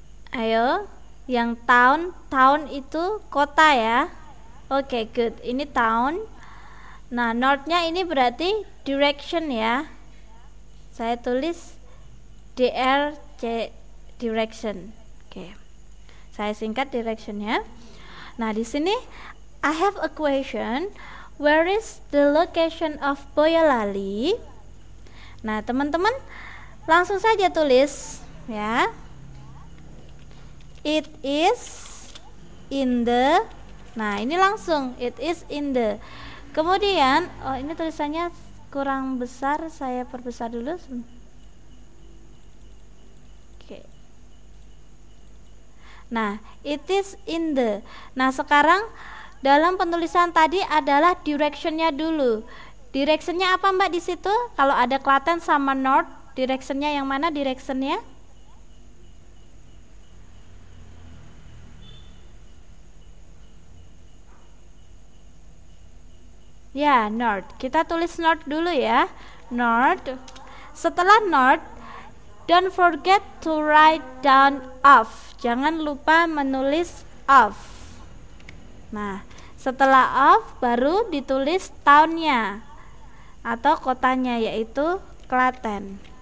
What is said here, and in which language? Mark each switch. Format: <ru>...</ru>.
<id>Ayo, yang town, town itu kota ya. Oke,</id> <en>okay, good.</en> <id>Ini town. Nah, North-nya ini berarti direction ya. Saya tulis DRC direction. Oke. Okay. Saya singkat direction-nya. Nah, di sini</id> <en>I have a question, where is the location of Boyolali?</en> <id>Nah, teman-teman langsung saja tulis ya.</id> <en>It is in the.</en> <id>Nah, ini langsung</id> <en>it is in the.</en> <id>Kemudian, oh ini tulisannya kurang besar, saya perbesar dulu. Nah,</id> <en>it is in the.</en> <id>Nah, sekarang dalam penulisan tadi adalah direction-nya dulu. Direction-nya apa, Mbak, di situ? Kalau ada Klaten sama North, direction-nya yang mana direction-nya? Ya, North. Kita tulis North dulu ya. North. Setelah</id> <en>North, don't forget to write down of.</en> <id>Jangan lupa menulis of. Nah, setelah of baru ditulis town-nya atau kotanya yaitu Klaten.</id>